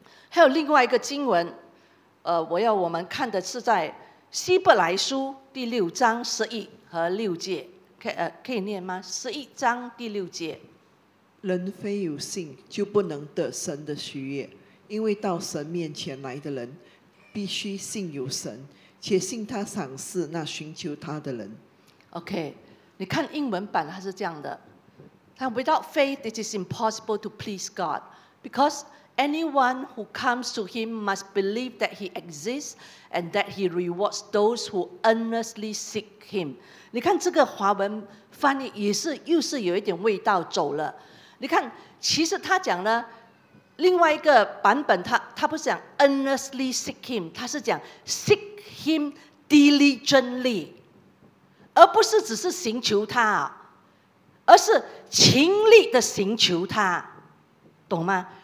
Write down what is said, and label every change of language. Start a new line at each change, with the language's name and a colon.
Chinese: 还有另外一个经文，我要我们看的是在希伯来书第六章十一和六节，可以念吗？十一章第六节，人非有信就不能得神的喜悦，因为到神面前来的人必须信有神，且信他赏赐那寻求他的人。
English: OK，
Chinese: 你看英文版它是这样的，
English: Without faith it is impossible to please God, because anyone who comes to him must believe that he exists and that he rewards those who earnestly seek him。
Chinese: 你看这个华文翻译也是又是有一点味道走了。你看其实他讲呢，另外一个版本 他不是讲
English: earnestly seek him，
Chinese: 他是讲
English: seek him diligently，
Chinese: 而不是只是寻求他，而是勤力的寻求他，懂吗？